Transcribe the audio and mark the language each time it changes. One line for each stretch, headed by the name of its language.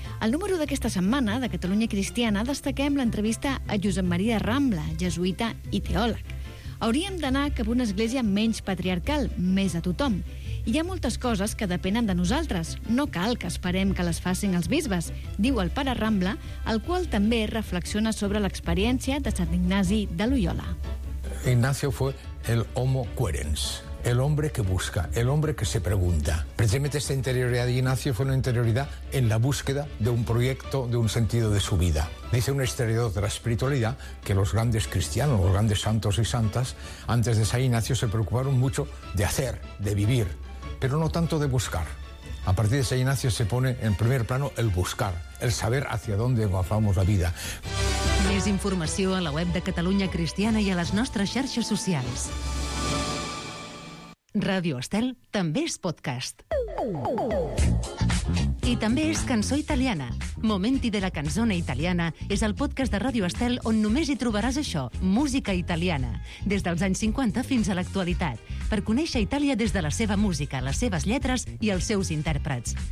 Catalan: Al número d'aquesta setmana de Catalunya Cristiana destaquem l'entrevista a Josep Maria Rambla, jesuïta i teòleg. Hauríem d'anar cap a una església menys patriarcal, més a tothom. Hi ha moltes coses que depenen de nosaltres. No cal que esperem que les facin els bisbes, diu el pare Rambla, el qual també reflexiona sobre l'experiència de Sant Ignasi de Loyola.
Spanish: Ignacio fue el homo querens. El hombre que busca, el hombre que se pregunta. Precisamente esta interioridad de Ignacio fue una interioridad en la búsqueda de un proyecto, de un sentido de su vida. Dice un historiador de la espiritualidad que los grandes cristianos, los grandes santos y santas, antes de San Ignacio se preocuparon mucho de hacer, de vivir, pero no tanto de buscar. A partir de San Ignacio se pone en primer plano el buscar, el saber hacia dónde agafamos la vida.
Catalan: Més informació a la web de Catalunya Cristiana i a les nostres xarxes socials. Ràdio Estel també és podcast. I també és cançó italiana. Momenti della canzone italiana és el podcast de Ràdio Estel on només hi trobaràs això, música italiana, des dels anys 50 fins a l'actualitat, per conèixer Itàlia des de la seva música, les seves lletres i els seus intèrprets.